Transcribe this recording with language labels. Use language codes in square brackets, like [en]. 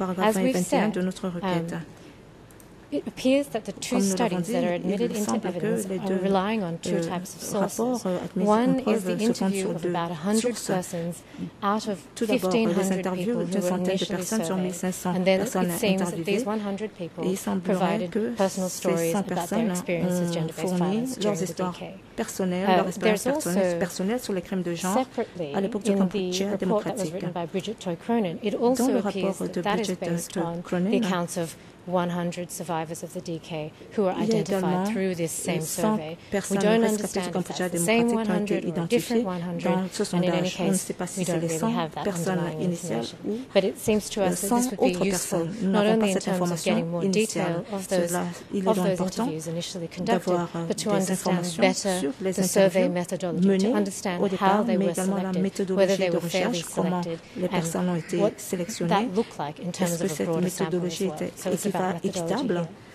[en] As we've said, it appears that the two studies that are admitted into evidence are relying on two types of sources. One is the interview of about 100 persons out of 1,500 people who were initially surveyed, and then it seems that these 100 people provided personal stories about their experience as gender-based violence during the decade. [fr] Personnelle sur les crimes de genre à l'époque du Cambodge démocratique. Dans le rapport de Bridget Toy Cronin, il y a également 100 personnes rescapées du Cambodge démocratique qui ont été identifiées dans ce sondage. On ne sait pas si c'est les 100 personnes initiales ou 100 autres personnes. Nous n'avons pas cette information initiale. Il est important d'avoir des informations mieux [en] the survey methodology to understand how they were selected, whether they were fairly selected, and what that looked like in terms of a broader sample as well. So it's about methodology here.